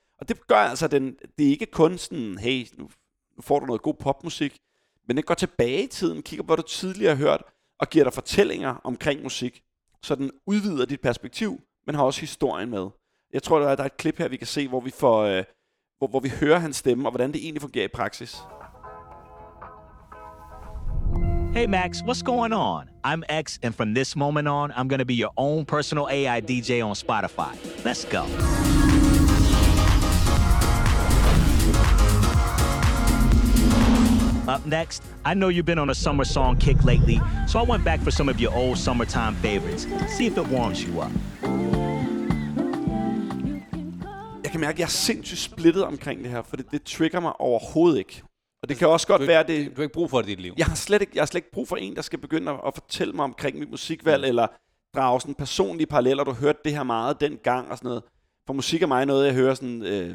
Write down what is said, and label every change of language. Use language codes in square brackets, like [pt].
[da] Og det gør altså, det er ikke kun sådan, hey, nu får du noget god popmusik, men den går tilbage i tiden, kigger på, hvad du tidligere har hørt, og giver dig fortællinger omkring musik, så den udvider dit perspektiv, men har også historien med. Jeg tror, der er et klip her, vi kan se, hvor vi får, hvor vi hører hans stemme, og hvordan det egentlig fungerer i praksis. [en] Hey Max, what's going on? I'm X, and from this moment on, I'm gonna be your own personal AI DJ on Spotify. Let's go. Up next, I know you've been on a summer song kick lately, so I went back for some of your old summertime favorites. See if it warms you up. [da] Jeg kan mærke, at jeg er sindssygt splittet omkring det her, for det trigger mig overhovedet ikke. Og det kan også godt være, det... Du har ikke brug for det i dit liv. Jeg har slet ikke brug for en, der skal begynde at fortælle mig omkring mit musikvalg, eller drage sådan personlige paralleller. Du hørte det her meget dengang og sådan noget. For musik er mig noget, jeg hører sådan...